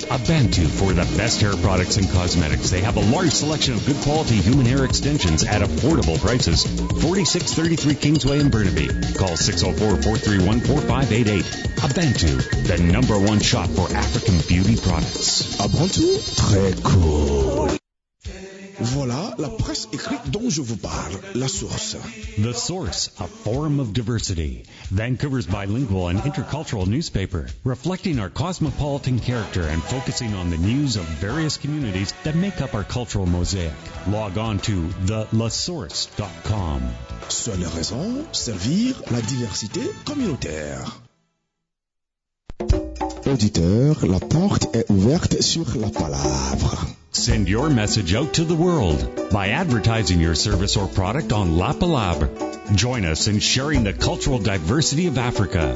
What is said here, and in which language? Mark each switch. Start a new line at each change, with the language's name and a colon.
English: Abantu for the best hair products and cosmetics. They have a large selection of good quality human hair extensions at affordable prices. 4633 Kingsway in Burnaby. Call 604-431-4588. Abantu, the number one shop for African beauty products.
French: Abantu? Très cool. Voilà la presse écrite dont je vous parle, La Source.
English: The Source, a forum of diversity. Vancouver's bilingual and intercultural newspaper, reflecting our cosmopolitan character and focusing on the news of various communities that make up our cultural mosaic. Log on to thelasource.com.
French: Seule raison, servir la diversité communautaire. Auditeur, la porte est ouverte sur la palabre.
English: Send your message out to the world by advertising your service or product on La Palabre. Join us in sharing the cultural diversity of Africa.